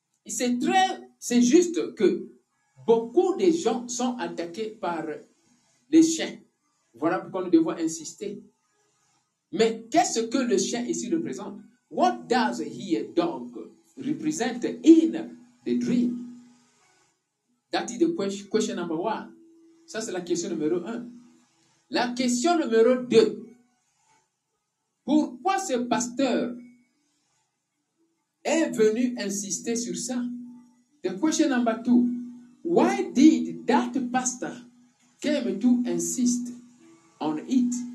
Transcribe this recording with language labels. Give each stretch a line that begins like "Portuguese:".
French: C'est juste que beaucoup de gens sont attaqués par les chiens. Voilà pourquoi nous devons insister. Mais qu'est-ce que le chien ici représente?
English: What does he a dog represent in the dream? That is the question number one.
French: Ça, c'est la question numéro un. La question numéro deux. Pourquoi ce pasteur est venu insister sur ça?
English: The question number two. Why did that pastor came to insist on it?